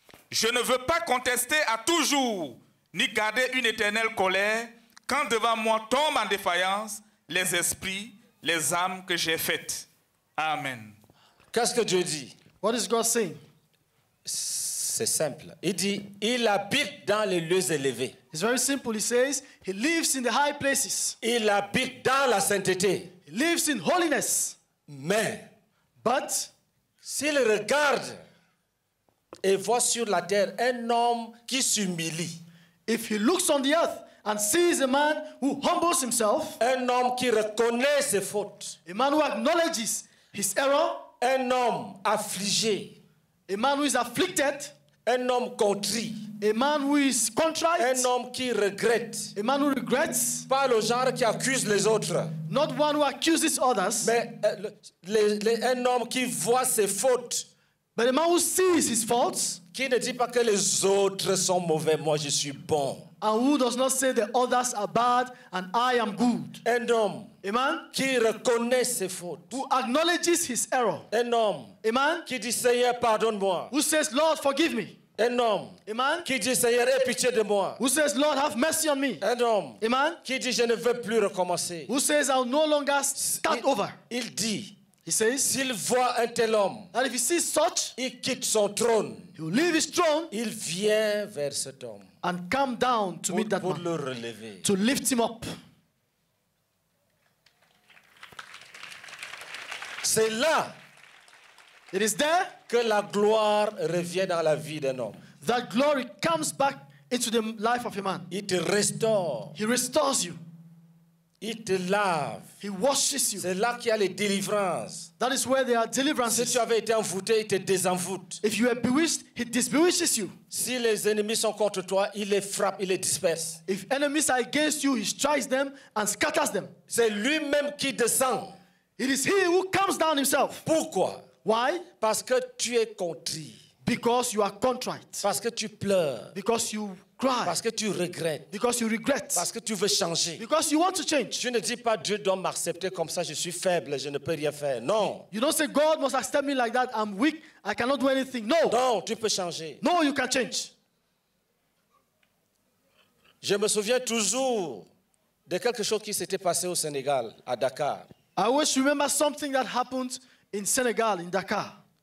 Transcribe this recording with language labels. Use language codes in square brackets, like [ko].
[fr] Je ne veux pas contester à toujours, ni garder une éternelle colère, quand devant moi tombent en défaillance les esprits, les âmes que j'ai faites. Amen. Qu'est-ce que Dieu dit? [en] What is God saying? [fr] C'est simple. Il dit, il habite dans les lieux élevés. [en] It's very simple. He says, he lives in the high places. [fr] Il habite dans la sainteté. [en] He lives in holiness. [fr] Mais, [en] but, [fr] s'il regarde et voit sur la terre un homme qui s'humilie, [en] if he looks on the earth and sees a man who humbles himself, [fr] un homme qui reconnaît ses fautes, [en] a man who acknowledges his error, [fr] un homme affligé, [en] a man who is afflicted, [fr] un homme contrit, [en] a man who is contrite, [fr] un homme qui regrette, [en] a man who regrets, [fr] pas le genre qui accuse les autres, [en] not one who accuses others, [fr] mais un homme qui voit ses fautes, [en] but a man who sees his faults, [fr] qui ne dit pas que les autres sont mauvais, moi je suis bon, [en] and who does not say the others are bad and I am good, [fr] un homme. [en] A man [fr] qui reconnaît ses fautes. [en] Who acknowledges his error. [fr] Un homme. [en] A man [fr] qui dit Seigneur pardonne-moi. [en] Who says Lord forgive me. [fr] Un homme. [en] A man [fr] qui dit Seigneur aie pitié de moi. [en] Who says Lord have mercy on me. [fr] Un homme. [en] A man [fr] qui dit je ne veux plus recommencer. [en] Who says I'll no longer start over. [fr] Il dit. [en] He says [fr] s'il voit un tel homme. [en] And if he sees such. [fr] Il quitte son trône. [en] He will leave his throne. [fr] Il vient vers cet homme. [en] And come down to meet that [fr] pour [en] man. [fr] Pour le relever. [en] To lift him up. [fr] C'est là. [en] It is there. [fr] Que la gloire revient dans la vie d'un homme. [en] That glory comes back into the life of a man. It restores. He restores you. [fr] Il te lave. [en] He washes you. [fr] C'est là qu'il y a les délivrances. [en] That is where there are deliverances. [fr] Si tu avais été envoûté, il te désenvoûte. [en] If you are bewitched, he disbewitches you. [fr] Si les ennemis sont contre toi, il les frappe, il les disperse. [en] If enemies are against you, he strikes them and scatters them. [fr] C'est lui-même qui descend. [en] It is he who comes down himself. [fr] Pourquoi? [en] Why? [fr] Parce que tu es contrit. [en] Because you are contrite. [fr] Parce que tu pleures. [en] Because you cry. [fr] Parce que tu regrettes. [en] Because you regret. [fr] Parce que tu veux changer. [en] Because you want to change. [fr] Tu ne dis pas Dieu doit m'accepter comme ça, je suis faible, je ne peux rien faire. Non. [en] You don't say God must accept me like that, I'm weak, I cannot do anything. No. [fr] Non, tu peux changer. [en] No, you can change. [fr] Je me souviens toujours de quelque chose qui s'était passé au Sénégal, à Dakar. [en] I always remember something that happened in Senegal, in Dakar.